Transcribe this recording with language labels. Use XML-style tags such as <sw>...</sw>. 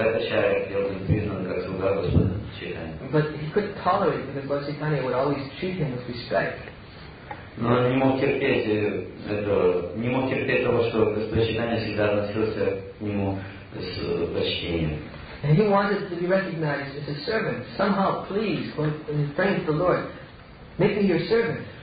<en>But he couldn't tolerate it because Lord Chaitanya would always treat him with respect.</en> <ru>Но он не мог терпеть того, что Господь Чайтанья всегда относился к нему с почтением.</ru> <en>And he wanted to be recognized as a servant. Somehow, please, when he prays to the Lord, make me your servant.</en>